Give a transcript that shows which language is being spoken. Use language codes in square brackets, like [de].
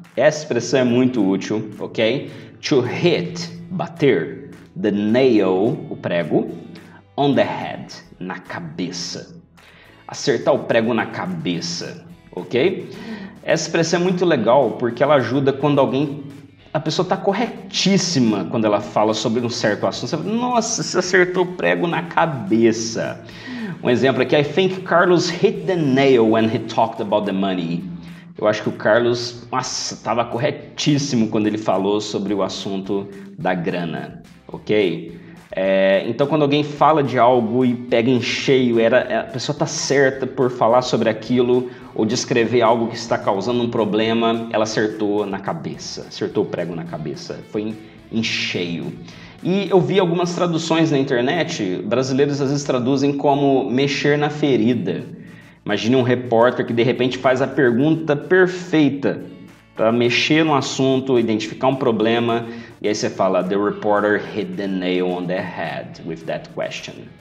[pt] Essa expressão é muito útil, ok? [en] To hit, [pt] bater, [en] the nail, [pt] o prego, [en] on the head, [pt] na cabeça. Acertar o prego na cabeça, ok? Essa expressão é muito legal porque ela ajuda quando alguém... A pessoa está corretíssima quando ela fala sobre um certo assunto. Você fala, nossa, você acertou o prego na cabeça. Um exemplo aqui, [en] I think Carlos hit the nail when he talked about the money. [pt] Eu acho que o Carlos, nossa, estava corretíssimo quando ele falou sobre o assunto da grana, ok? Então, quando alguém fala de algo e pega em cheio, a pessoa está certa por falar sobre aquilo ou descrever algo que está causando um problema, ela acertou na cabeça, acertou o prego na cabeça, foi em cheio. E eu vi algumas traduções na internet, brasileiros às vezes traduzem como mexer na ferida. Imagine um repórter que de repente faz a pergunta perfeita para mexer no assunto, identificar um problema. E aí você fala, [en] the reporter hit the nail on the head with that question.